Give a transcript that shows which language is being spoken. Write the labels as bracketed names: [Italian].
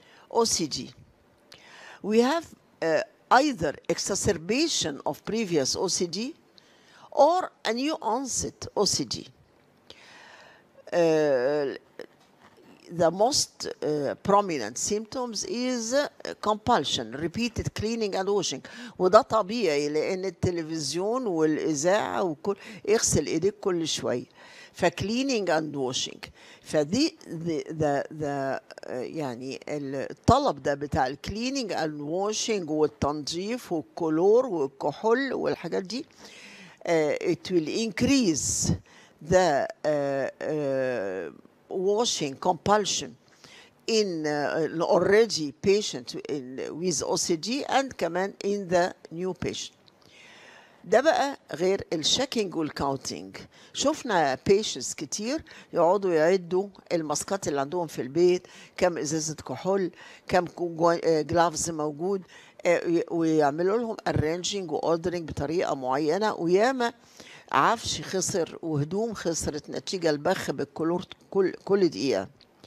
[English] OCD. We have either exacerbation of previous OCD or a new onset OCD. The most prominent symptoms is compulsion, repeated cleaning and washing. [Arabic] وده طبيعي لأن التلفزيون والإذاعة وكل اغسل إيديك كل شوي. ف [English] cleaning and washing. [Arabic] فدي the يعني الطلب ده بتاع cleaning and washing والتنظيف والكلور والكحول والحاجات دي. [English] It will increase the washing compulsion in already patient in, with OCD and command in the new patient. [Arabic] ده بقى غير الشاكينج والكاونتينج. شفنا patients كتير يقعدوا يعدوا الماسكات اللي عندهم في البيت, كم ازازة كحول, كم gloves موجود, ويعملوا لهم arranging وordering بطريقة معينة, وياما عفش خسر وهدوم خسرت نتيجة البخ بالكلور كل دقيقة.